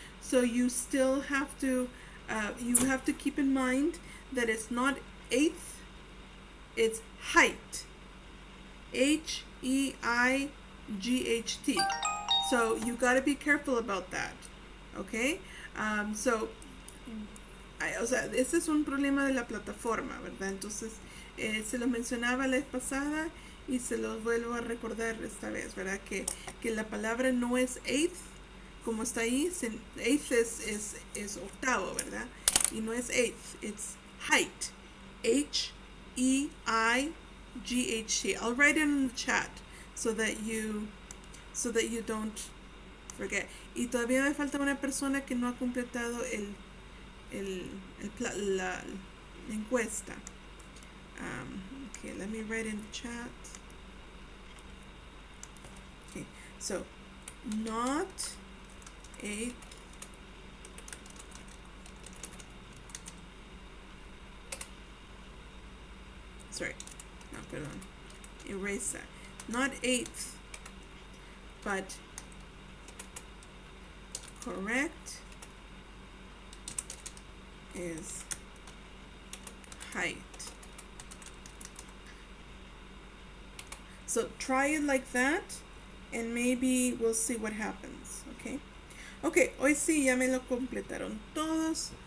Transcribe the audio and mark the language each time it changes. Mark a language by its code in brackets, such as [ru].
[en] So you still have to, you have to keep in mind that it's not eighth, it's height. H-E-I-G-H-T. So you gotta be careful about that, okay? [es] So, ese es un problema de la plataforma, ¿verdad? Entonces, se lo mencionaba la vez pasada y se lo vuelvo a recordar esta vez, ¿verdad? Que la palabra no es eighth, como está ahí, eighth es octavo, ¿verdad? Y no es eighth, [en] it's height, H-E-I-G-H-T. I'll write it in the chat so that you don't forget. [es] Y todavía me falta una persona que no ha completado la encuesta. [en] Okay, let me write in the chat. Okay, so not eight. Sorry, no, [es] perdón. [en] Erase that. Not eighth, but correct is height. So try it like that, and maybe we'll see what happens, okay? [es] Okay, hoy sí, ya me lo completaron todos.